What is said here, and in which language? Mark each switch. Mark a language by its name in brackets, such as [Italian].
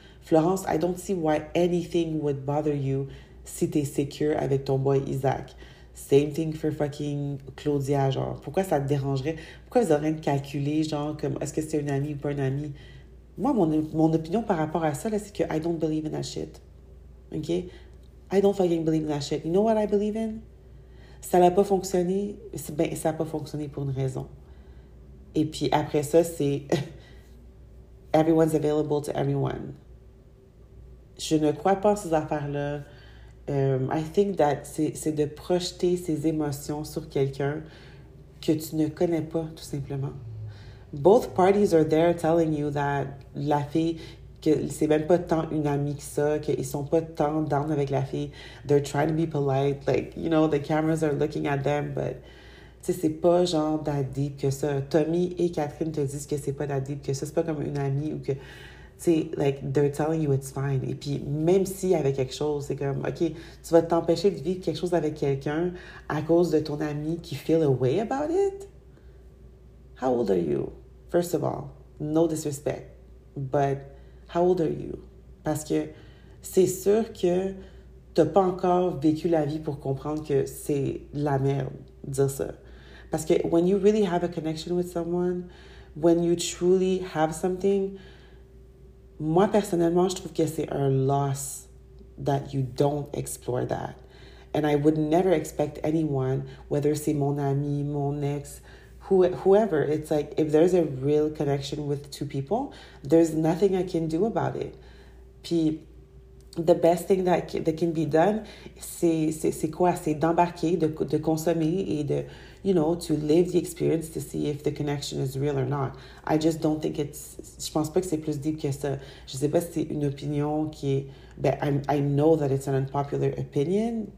[English] Florence, I don't see why anything would bother you [French] si t'es secure avec ton boy Isaac. [English] Same thing for fucking Claudia, genre. [French] Pourquoi ça te dérangerait? Pourquoi vous auriez calculé, genre, comme, est-ce que c'est une amie ou pas une amie? Moi, mon opinion par rapport à ça, là, c'est que [English] I don't believe in that shit. [French] OK? [English] I don't fucking believe in that shit. You know what I believe in? [French] Ça n'a pas fonctionné. Ben, ça n'a pas fonctionné pour une raison. Et puis, après ça, c'est... [English] Everyone's available to everyone. [French] Je ne crois pas à ces affaires-là. [English] I think that [French] c'est de projeter ses émotions sur quelqu'un que tu ne connais pas, tout simplement. [English] Both parties are there telling you that [French] la fille, que c'est même pas tant une amie que ça, qu'ils sont pas tant down avec la fille. [English] They're trying to be polite. Like, you know, the cameras are looking at them, but... [French] Tu sais, c'est pas genre that deep que ça. Tommy et Catherine te disent que c'est pas that deep que ça. C'est pas comme une amie ou que... C'est like, [English] they're telling you it's fine. [French] Et puis, même s'il y avait quelque chose, c'est comme, OK, tu vas t'empêcher de vivre quelque chose avec quelqu'un à cause de ton ami qui [English] feel a way about it? How old are you? First of all, no disrespect, but how old are you? [French] Parce que c'est sûr que t'as pas encore vécu la vie pour comprendre que c'est la merde, dire ça. Parce que [English] when you really have a connection with someone, when you truly have something... [French] Moi, personnellement, je trouve que c'est un loss [English] that you don't explore that. And I would never expect anyone, whether [French] c'est mon ami, mon ex, [English] whoever, it's like, if there's a real connection with two people, there's nothing I can do about it. Puis, the best thing that can be done, [French] c'est quoi? C'est d'embarquer, de consommer et de, you know, [English] to live the experience to see if the connection is real or not. I just don't think it's... [French] Je pense pas que c'est plus deep que ça. Je sais pas si c'est une opinion qui est... [English] Ben, I know that it's an unpopular opinion.